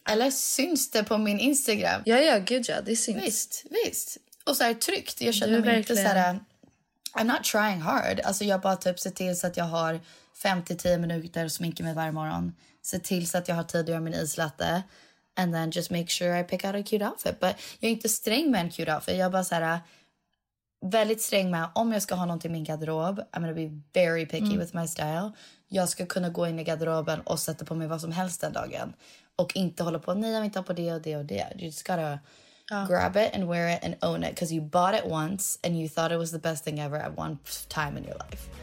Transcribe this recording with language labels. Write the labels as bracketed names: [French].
[Swedish] Eller syns det på min Instagram? Ja, gud ja. Det syns. Visst. Och så här tryckt. Jag känner mig inte så här [English] I'm not trying hard. [Swedish] Alltså jag bara typ ser till så att jag har 5-10 minuter att sminka mig varje morgon. Se till så att jag har tid att göra min islatte. [English] And then just make sure I pick out a cute outfit. [Swedish] But jag är inte sträng med en cute outfit. Jag är bara så här, väldigt sträng med om jag ska ha någonting i min garderob. [English] I'm gonna be very picky with my style. [Swedish] Jag ska kunna gå in i garderoben och sätta på mig vad som helst den dagen. Och inte hålla på, nej jag vill inte ha på det och det och det. [English] You just gotta grab it and wear it and own it. Because you bought it once and you thought it was the best thing ever at one time in your life.